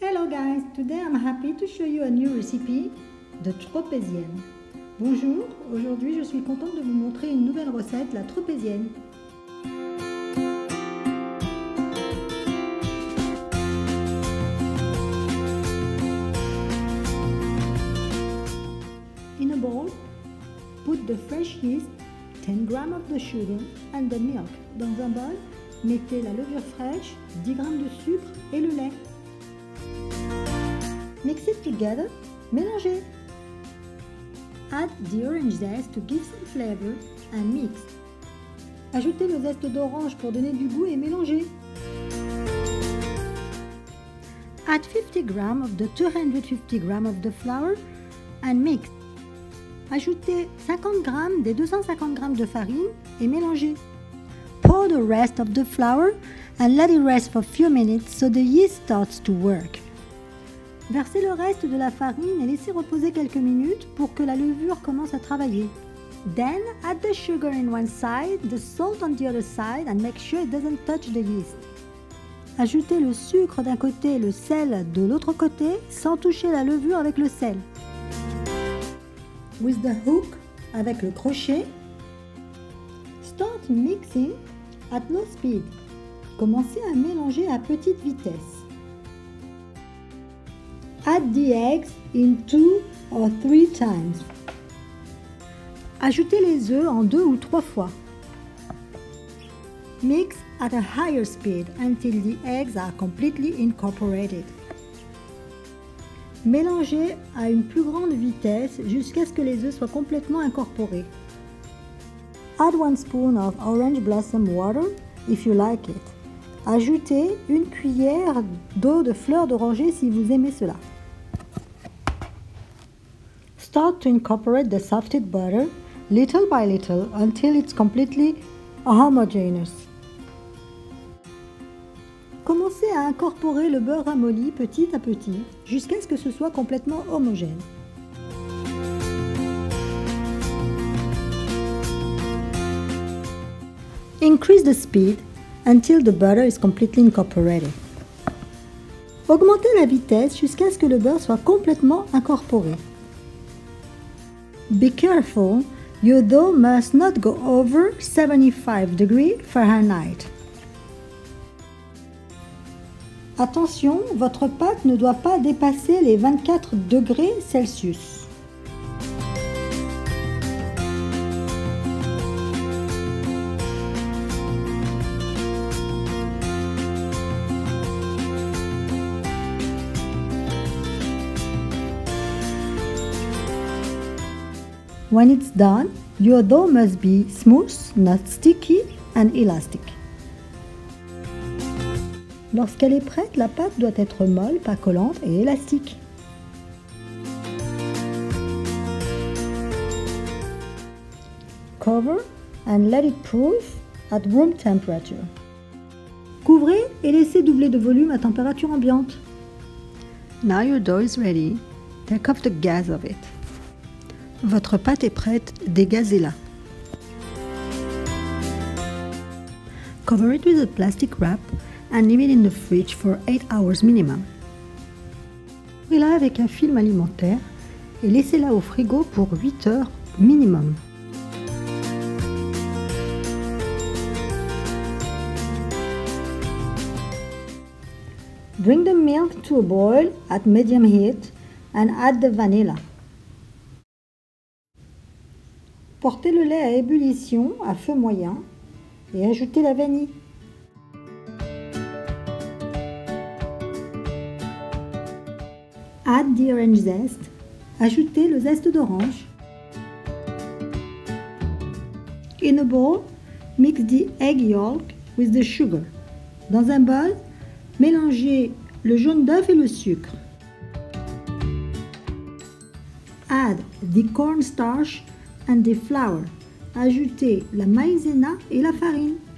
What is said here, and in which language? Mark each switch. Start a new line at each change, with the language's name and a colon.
English: guys, today I'm happy to show you a new recipe, the tropézienne.
French: Bonjour, aujourd'hui je suis contente de vous montrer une nouvelle recette, la tropézienne.
English: In a bowl, put the fresh yeast, 10 g of the sugar and the milk.
French: Dans un bol, mettez la levure fraîche, 10 g de sucre et le lait.
English: Mix it together,
French: mélangez.
English: Add the orange zest to give some flavor and mix.
French: Ajoutez le zeste d'orange pour donner du goût et mélangez.
English: Add 50 g of the 250 g of the flour and mix.
French: Ajoutez 50 g des 250 g de farine et mélangez.
English: Pour the rest of the flour and let it rest for a few minutes so the yeast starts to work.
French: Versez le reste de la farine et laissez reposer quelques minutes pour que la levure commence à travailler.
English: Then add the sugar in one side, the salt on the other side and make sure it doesn't touch the yeast.
French: Ajoutez le sucre d'un côté et le sel de l'autre côté sans toucher la levure avec le sel.
English: With the hook,
French: avec le crochet,
English: start mixing at low speed.
French: Commencez à mélanger à petite vitesse.
English: Add the eggs in 2 or 3 times.
French: Ajoutez les œufs en 2 ou 3 fois.
English: Mix at a higher speed until the eggs are completely incorporated.
French: Mélangez à une plus grande vitesse jusqu'à ce que les œufs soient complètement incorporés.
English: Add 1 spoon of orange blossom water if you like it.
French: Ajoutez 1 cuillère d'eau de fleurs d'oranger si vous aimez cela.
English: Start to incorporate the softened butter little by little until it's completely homogeneous.
French: Commencez à incorporer le beurre ramolli petit à petit jusqu'à ce que ce soit complètement homogène.
English: Increase the speed until the butter is completely incorporated.
French: Augmentez la vitesse jusqu'à ce que le beurre soit complètement incorporé.
English: Be careful, your dough must not go over 75 degrees Fahrenheit.
French: Attention, votre pâte ne doit pas dépasser les 24 degrés Celsius.
English: When it's done, your dough must be smooth, not sticky, and elastic.
French: Lorsqu'elle est prête, la pâte doit être molle, pas collante et élastique.
English: Cover and let it proof at room temperature.
French: Couvrez et laissez doubler de volume à température ambiante.
English: Now your dough is ready. Take off the gas of it.
French: Votre pâte est prête, dégazez-la.
English: Cover it with a plastic wrap and leave it in the fridge for 8 hours minimum.
French: Ouvrez-la avec un film alimentaire et laissez-la au frigo pour 8 heures minimum.
English: Bring the milk to a boil at medium heat and add the vanilla.
French: Portez le lait à ébullition à feu moyen et ajoutez la vanille.
English: Add the orange zest.
French: Ajoutez le zeste d'orange.
English: In a bowl, mix the egg yolk with the sugar.
French: Dans un bol, mélangez le jaune d'œuf et le sucre.
English: Add the cornstarch and the flour.
French: Ajoutez la maïzena et la farine.